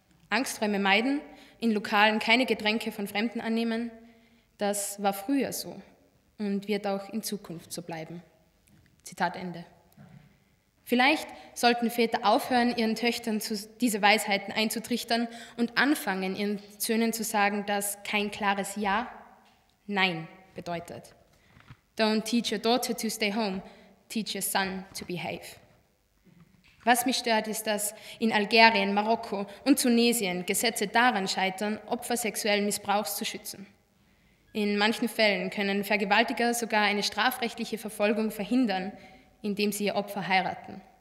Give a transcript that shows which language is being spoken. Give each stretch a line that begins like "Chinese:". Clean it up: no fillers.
German: Angsträume meiden, in Lokalen keine Getränke von Fremden annehmen, das war früher so und wird auch in Zukunft so bleiben. Zitat Ende. Vielleicht sollten Väter aufhören, ihren Töchtern diese Weisheiten einzutrichtern und anfangen, ihren Söhnen zu sagen, dass kein klares Ja, Nein bedeutet.
English: Don't teach your daughter to stay home, teach your son to behave.
German: Was mich stört, ist, dass in Algerien, Marokko und Tunesien Gesetze daran scheitern, Opfer sexuellen Missbrauchs zu schützen. In manchen Fällen können Vergewaltiger sogar eine strafrechtliche Verfolgung verhindern, indem sie ihr Opfer heiraten.